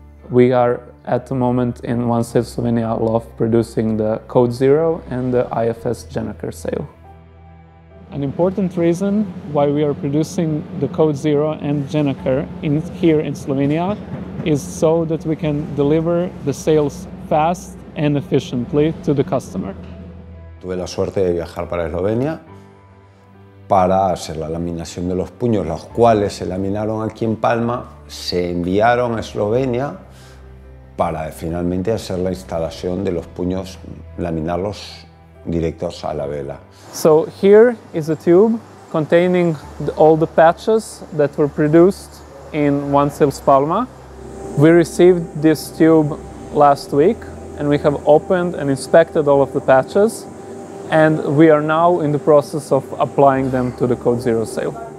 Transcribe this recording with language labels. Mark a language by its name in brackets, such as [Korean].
[English] We are at the moment in One Sail Slovenia loft producing the Code Zero and the IFS gennaker sail. An important reason why we are producing the Code Zero and gennaker here in Slovenia is so that we can deliver the sails fast and efficiently to the customer. [Spanish] Tuve la suerte de viajar para Eslovenia para hacer la laminación de los puños, los cuales se laminaron aquí en Palma, se enviaron a Eslovenia para finalmente hacer la instalación de los puños, laminarlos directos a la vela. [English] So here is a tube containing all the patches that were produced in One Sails Palma. We received this tube last week and we have opened and inspected all of the patches, and we are now in the process of applying them to the Code Zero sail.